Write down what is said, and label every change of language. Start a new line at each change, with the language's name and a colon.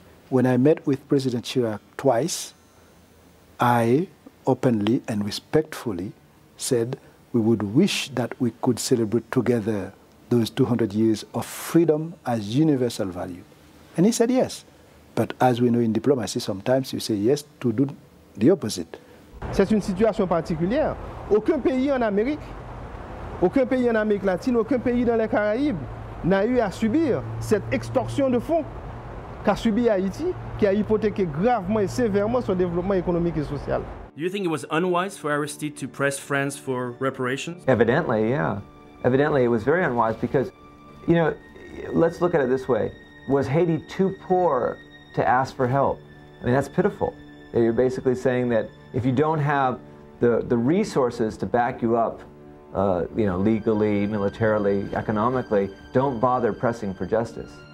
English: When I met with President Chirac twice, I openly and respectfully said, we would wish that we could celebrate together those 200 years of freedom as universal value. And he said yes. But as we know in diplomacy, sometimes you say yes to do the opposite.
French: C'est une situation particulière. Aucun pays en Amérique latine, aucun pays dans les Caraïbes n'a eu à subir cette extorsion de fonds qu'a subi Haïti, qui a hypothéqué gravement et sévèrement son développement économique et social.
English: Do you think it was unwise for Aristide to press France for reparations? Evidently, yeah. Evidently, it was very unwise because, you know, let's look at it this way. Was Haiti too poor to ask for help? I mean, that's pitiful. You're basically saying that if you don't have the resources to back you up, you know, legally, militarily, economically, don't bother pressing for justice.